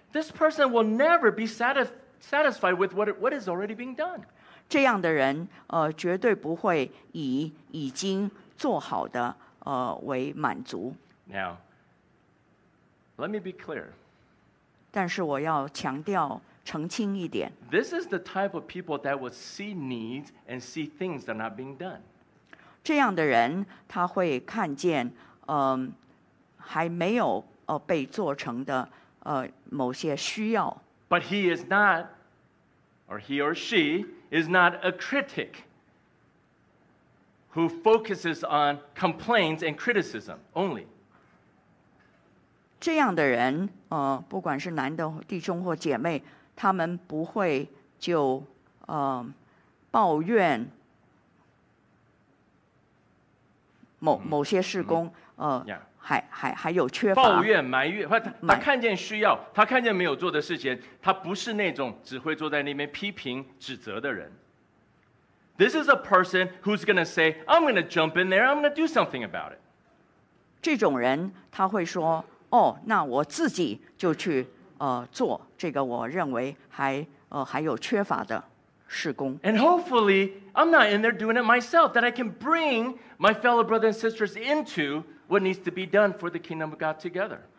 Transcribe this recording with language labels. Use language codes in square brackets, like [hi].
[en] This person will never be satisfied with what is already being done. [zh] 这样的人绝对不会以已经做好的为满足。 [en] Now, let me be clear. [zh] 但是我要强调澄清一点。 [en] This is the type of people that will see needs and see things that are not being done. [zh] 这样的人他会看见还没有被做成的某些需要。 [en] But he is not, or he or she is not a critic who focuses on complaints and criticism only. [zh] 这样的人不管是男的弟兄或姐妹，他们不会就抱怨某些事工还有缺乏，抱怨埋怨。他看见需要，他看见没有做的事情，他不是那种只会坐在那边批评指责的人。 [en] This is a person who's going to say, I'm going to jump in there, I'm going to do something about it. [zh] 这种人他会说，哦，那我自己就去做这个我认为还有缺乏的事工。 [en] And hopefully I'm not in there doing it myself, that I can bring my fellow brothers and sisters intowhat needs to be done for the kingdom of God together.